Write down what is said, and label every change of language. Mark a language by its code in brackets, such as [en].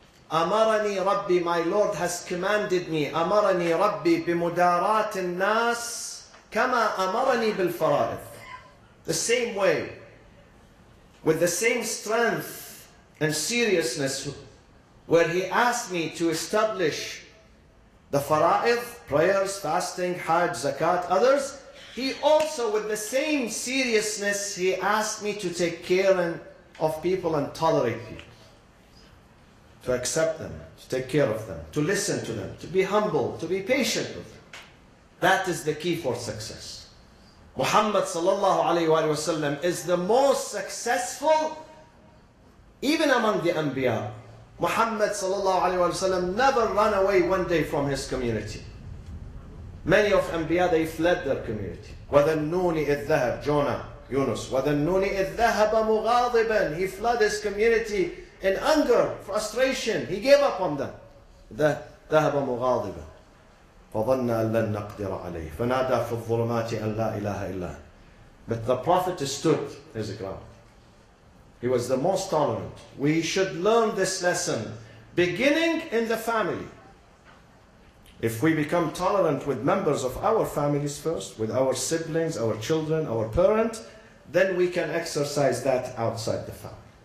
[ar] أمرني ربي, [en] my Lord has commanded me, [ar] أمرني ربي بمدارات الناس كما أمرني بالفرائض. [en] The same way, with the same strength and seriousness, where he asked me to establish the fara'id, prayers, fasting, hajj, zakat, others, he also with the same seriousness, he asked me to take care of people and tolerate people. To accept them, to take care of them, to listen to them, to be humble, to be patient with them. That is the key for success. Muhammad sallallahu alayhi wa sallam is the most successful even among the Anbiya. Muhammad sallallahu alayhi wa sallam never ran away one day from his community. Many of Anbiya, they fled their community. [ar] وَذَنُّونِ إِذْ ذَهَبْ Jonah, Yunus. وَذَنُّونِ إِذْ ذَهَبَ مُغَاضِبًا [en] He fled his community. In anger, frustration, he gave up on them. [ar] ذهب مغاضبا فظن أن لن نقدر عليه فنادى في الظلمات أن لا إله إلا [en] But the Prophet stood his ground. He was the most tolerant. We should learn this lesson beginning in the family. If we become tolerant with members of our families first, with our siblings, our children, our parents, then we can exercise that outside the family.